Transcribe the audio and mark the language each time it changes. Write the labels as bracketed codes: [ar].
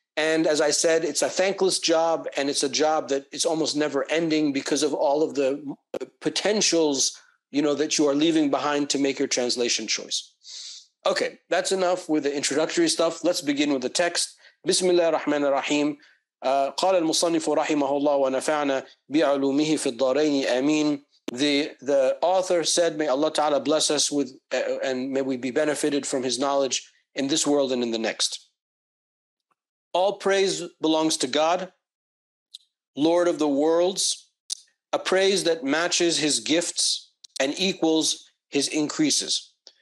[en] And as I said, it's a thankless job, and it's a job that is almost never ending because of all of the potentials, you know, that you are leaving behind to make your translation choice. Okay, that's enough with the introductory stuff. Let's begin with the text. [ar] Bismillah ar-Rahman ar-Rahim. قال المصنف رحمه الله ونفعنا بعلومه في الدارين آمين. [en] The author said, may Allah Ta'ala bless us with and may we be benefited from his knowledge in this world and in the next. All praise belongs to God, Lord of the worlds, a praise that matches his gifts and equals his increases.